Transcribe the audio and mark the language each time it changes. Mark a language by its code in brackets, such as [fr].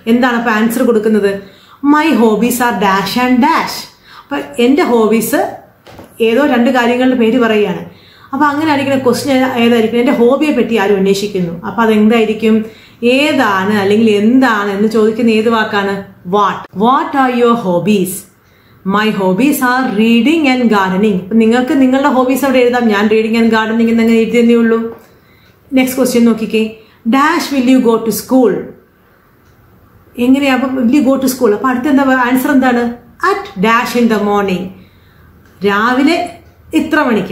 [ml] എന്താണ് അപ്പോൾ ആൻസർ കൊടുക്കുന്നത്? [en] My hobbies are dash and dash. [ml] അപ്പോൾ എൻ്റെ ഹോബീസ് ഏതോ രണ്ട് കാര്യങ്ങളുടെ പേര് പറയുകയാണ്. അപ്പോൾ അങ്ങനെ ആയിരിക്കുന്ന ക്വസ്റ്റ്യൻ ഏതായിരിക്കും? എൻ്റെ ഹോബിയെ പറ്റി ആരും അന്വേഷിക്കുന്നു. അപ്പോൾ അതെന്തായിരിക്കും? ഏതാണ് അല്ലെങ്കിൽ എന്താണ് എന്ന് ചോദിക്കുന്ന ഏത് വാക്കാണ്? What. [en] What are your hobbies? My hobbies are reading and gardening. [ml] നിങ്ങൾക്ക് നിങ്ങളുടെ ഹോബീസ് അവിടെ എഴുതാം. ഞാൻ [en] reading and gardening [ml] എന്നങ്ങനെ എഴുതിയെന്നേ ഉള്ളൂ. [en] next question [ml] നോക്കിക്കേ. [en] Dash will you go to school? [ml] എങ്ങനെയാ അപ്പം [en] Will you go to school? [ml] അപ്പം അടുത്ത എന്താ ആൻസർ എന്താണ്? [en] At dash in the morning. [ml] രാവിലെ ഇത്ര മണിക്ക്.